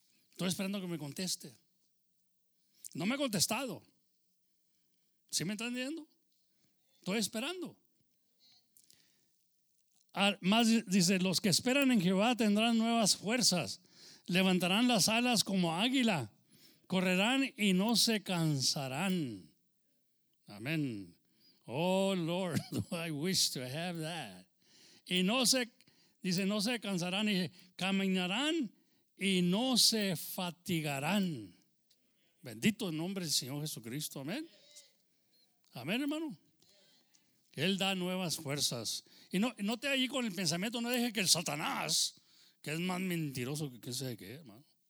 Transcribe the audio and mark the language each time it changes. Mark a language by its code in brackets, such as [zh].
[es] Estoy esperando que me conteste. No me ha contestado. ¿Sí me están entendiendo? Estoy esperando. Más dice, los que esperan en Jehová tendrán nuevas fuerzas. Levantarán las alas como águila. Correrán y no se cansarán. Amén. [en] Oh, Lord, I wish to have that. [es] Y no se, dice, no se cansarán. Y caminarán y no se fatigarán. Bendito el nombre del Señor Jesucristo. Amén. Amén, hermano. Él da nuevas fuerzas. Y no te ahí con el pensamiento, no deje que el Satanás, que es más mentiroso que qué sé qué, hermano.